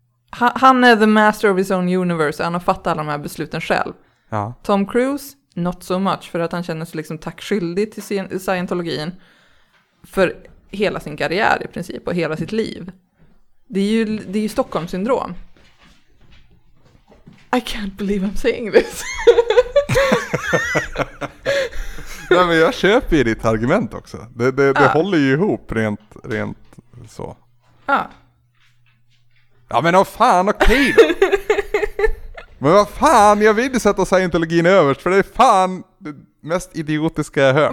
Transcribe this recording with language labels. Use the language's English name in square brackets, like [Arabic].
[Swedish] Han är [English] the master of his own universe. [Swedish] Han har fattat alla de här besluten själv. Ja. [English] Tom Cruise, not so much. [Swedish] För att han känner sig liksom tackskyldig till Scientologin. För... hela sin karriär i princip och hela sitt liv. Det är ju Stockholmssyndrom. [English] I can't believe I'm saying this. [Swedish] Nej, men jag köper ju ditt argument också. Det håller ju ihop rent så. Ja. Ja, men vad fan, okej då. Men vad fan, jag vill ju sätta Scientologin överst för det är fan det mest idiotiska jag hör.